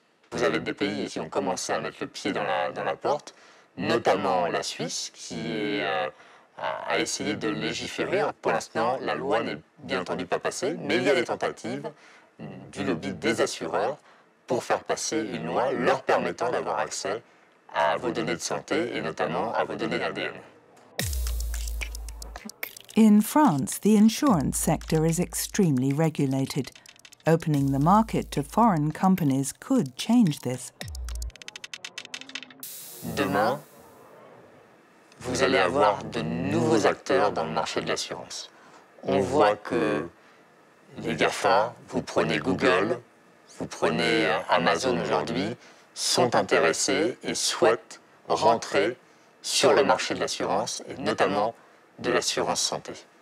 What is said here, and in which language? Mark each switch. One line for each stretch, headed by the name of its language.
French: Vous avez des pays qui ont commencé à mettre le pied dans la porte, notamment la Suisse, qui a essayé de légiférer. Pour l'instant, la loi n'est bien entendu pas passée, mais il y a des tentatives du lobby des assureurs pour faire passer une loi leur permettant d'avoir accès à vos données de santé et notamment à vos données ADN.
English: In France, the insurance sector is extremely regulated. Opening the market to foreign companies could change this.
French: Demain, vous allez avoir de nouveaux acteurs dans le marché de l'assurance. On voit que les GAFA, vous prenez Google, vous prenez Amazon aujourd'hui, sont intéressés et souhaitent rentrer sur le marché de l'assurance, et notamment de l'assurance santé.